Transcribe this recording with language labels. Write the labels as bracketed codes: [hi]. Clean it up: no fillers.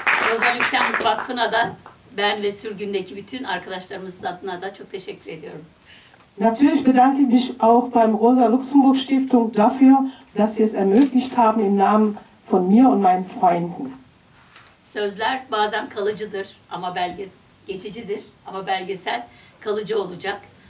[tr] Rosa Luxemburg Vakfı'na da ben ve sürgündeki bütün arkadaşlarımızın adına da çok teşekkür ediyorum. [de] Natürlich bedanke mich auch beim Rosa Luxemburg Stiftung dafür, dass sie es ermöglicht haben im Namen von mir und meinen Freunden. [tr] Sözler bazen kalıcıdır ama belge geçicidir ama belgesel kalıcı olacak.